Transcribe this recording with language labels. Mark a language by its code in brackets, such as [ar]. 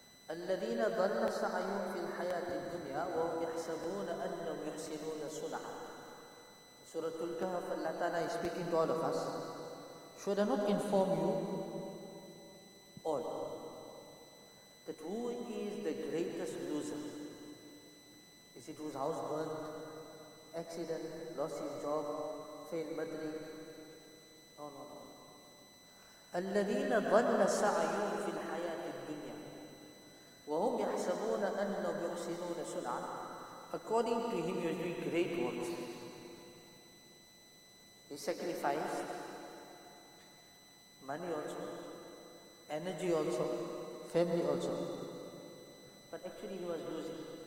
[ar] الذين ضل سعيهم في الحياة الدنيا وهم يحسبون أنهم يحسنون صنعا. سورة الكهف. [en] الله تعالى is speaking to all of us. Should I not inform you all that who is the greatest loser? Is it whose house burned, accident, lost his job, failed madri? No, no, no. [ar] الذين ضل سعيهم في الحياة الدنيا وَهُمْ يَحْسَبُونَ أَنَّهُمْ يُحْسِنُونَ سُنْعًا. [en] According to him, he was doing great works. He sacrificed money also, energy also, family also. But actually he was losing.